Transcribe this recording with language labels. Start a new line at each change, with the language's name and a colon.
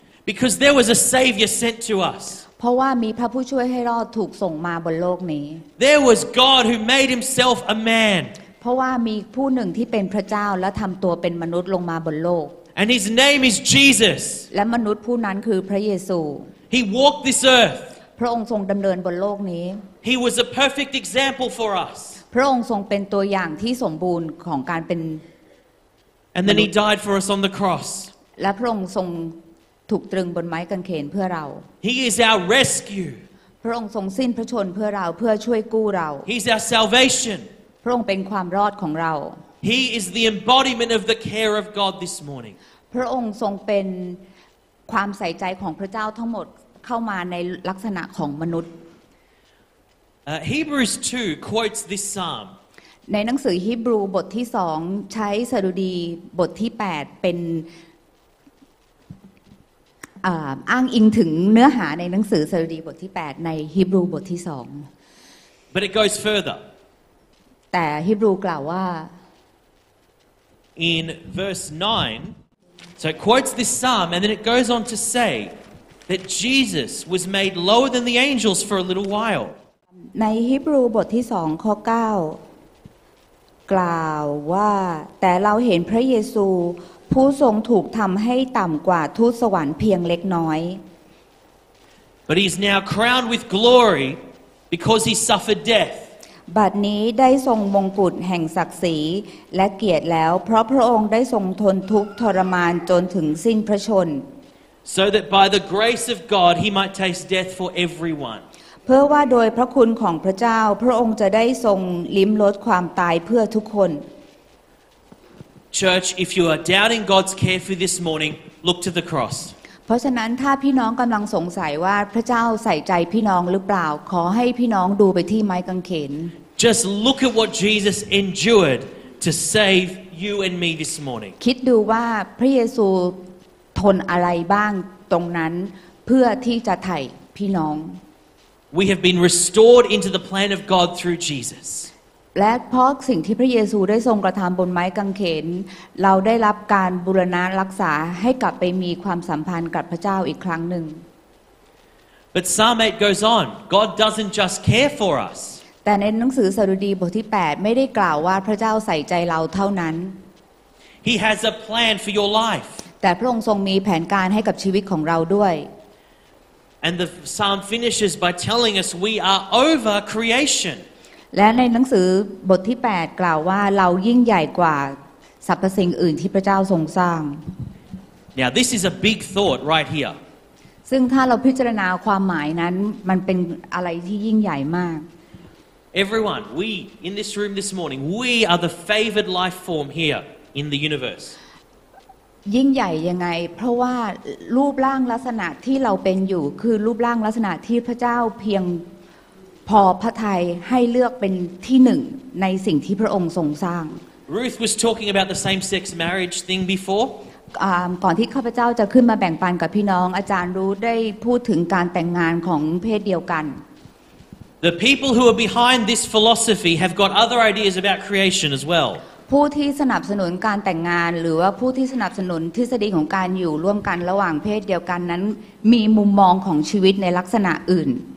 English: Because there was a Savior sent to us.
Thai: เพราะว่ามีพระผู้ช่วยให้รอดถูกส่งมาบนโลกนี้
English: There was God who made Himself a man.
Thai: เพราะว่ามีผู้หนึ่งที่เป็นพระเจ้าและทำตัวเป็นมนุษย์ลงมาบนโลก
English: And His name is Jesus.
Thai: และมนุษย์ผู้นั้นคือพระเยซู
English: He walked this earth.
Thai: พระองค์ทรงดำเนินบนโลกนี้
English: He was a perfect example for us.
Thai: พระองค์ทรงเป็นตัวอย่างที่สมบูรณ์ของการเป็น
English: And then he died for us on the cross.
Thai: และพระองค์ทรงถูกตรึงบนไม้กางเขนเพื่อเรา
English: He is our rescue.
Thai: พระองค์ทรงสิ้นพระชนเพื่อเราเพื่อช่วยกู้เรา
English: He's our salvation.
Thai: พระองค์เป็นความรอดของเรา
English: He is the embodiment of the care of God this morning.
Thai: พระองค์ทรงเป็นความใส่ใจของพระเจ้าทั้งหมดเข้ามาในลักษณะของมนุษย์
English: Hebrews 2 quotes this psalm.
Thai: ในหนังสือฮีบรูบทที่2ใช้สดุดีบทที่8เป็นอ้างอิงถึงเนื้อหาในหนังสือสดุดีบทที่8ในฮีบรูบทที่2
English: But it goes further
Thai: แต่ฮีบรูกล่าวว่า
English: In verse 9 so it quotes this psalm and then it goes on to say that Jesus was made lower than the angels for a little while
Thai: ในฮีบรูบทที่2ข้อ9กล่าวว่าแต่เราเห็นพระเยซูผู้ทรงถูกทำให้ต่ำกว่าทูตสวรรค์เพียงเล็กน้อย
English: But he is now crowned with glory because he suffered death
Thai: บัดนี้ได้ทรงมงกุฎแห่งศักดิ์ศรีและเกียรติแล้วเพราะพระองค์ได้ทรงทนทุกข์ทรมานจนถึงสิ้นพระชน
English: So that by the grace of God he might taste death for everyone
Thai: เพื่อว่าโดยพระคุณของพระเจ้าพระองค์จะได้ทรงลิ้มรสความตายเพื่อทุกคน
English: Church if you are doubting God's care for this morning look to the cross
Thai: เพราะฉะนั้นถ้าพี่น้องกำลังสงสัยว่าพระเจ้าใส่ใจพี่น้องหรือเปล่าขอให้พี่น้องดูไปที่ไม้กางเขน
English: Just look at what Jesus endured to save you and me this morning
Thai: คิดดูว่าพระเยซูทนอะไรบ้างตรงนั้นเพื่อที่จะไถ่พี่น้อง
English: We have been restored into the plan of God through Jesus.
Thai: และเพราะสิ่งที่พระเยซูได้ทรงกระทำบนไม้กางเขนเราได้รับการบูรณะรักษาให้กลับไปมีความสัมพันธ์กับพระเจ้าอีกครั้งหนึ่ง
English: But Psalm 8 goes on. God doesn't just care for us.
Thai: แต่ในหนังสือสดุดีบทที่8ไม่ได้กล่าวว่าพระเจ้าใส่ใจเราเท่านั้น
English: He has a plan for your life.
Thai: แต่พระองค์ทรงมีแผนการให้กับชีวิตของเราด้วย
English: And the psalm finishes by telling us we are over creation.
Thai: และในหนังสือบทที่8กล่าวว่าเรายิ่งใหญ่กว่าสรรพสิ่งอื่นที่พระเจ้าทรงสร้าง
English: Now this is a big thought right here.
Thai: ซึ่งถ้าเราพิจารณาความหมายนั้นมันเป็นอะไรที่ยิ่งใหญ่มาก
English: Everyone, we in this room this morning, we are the favored life form here in the universe.
Thai: ยิ่งใหญ่ยังไงเพราะว่ารูปร่างลักษณะที่เราเป็นอยู่คือรูปร่างลักษณะที่พระเจ้าเพียงพอพระทัยให้เลือกเป็นที่หนึ่งในสิ่งที่พระองค์ทรงสร้าง
English: Ruth was talking about the same sex marriage thing before
Thai: ก่อนที่ข้าพเจ้าจะขึ้นมาแบ่งปันกับพี่น้องอาจารย์รู้ได้พูดถึงการแต่งงานของเพศเดียวกัน
English: The people who are behind this philosophy have got other ideas about creation as well
Thai: ผู้ที่สนับสนุนการแต่งงานหรือว่าผู้ที่สนับสนุนทฤษฎีของการอยู่ร่วมกันระหว่างเพศเดียวกันนั้นมีมุมมองของชีวิตในลักษณะอื่น